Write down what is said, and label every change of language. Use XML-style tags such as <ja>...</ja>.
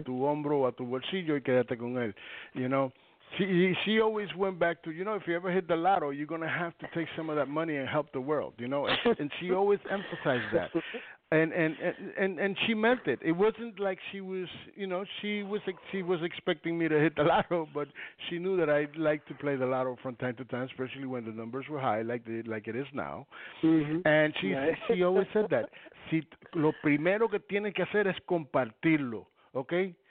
<es>a tu hombro o a tu bolsillo y quédate con él.</es> <en>You know, she always went back to, you know, if you ever hit the lotto, you're going to have to take some of that money and help the world, you know. And she always emphasized that. And she meant it. It wasn't like she was, you know, she was expecting me to hit the lotto, but she knew that I'd like to play the lotto from time to time, especially when the numbers were high, like it is now. Mm-hmm. And she always said that.</en> <es>Si, lo primero que tienes que hacer es compartirlo, okay?</es>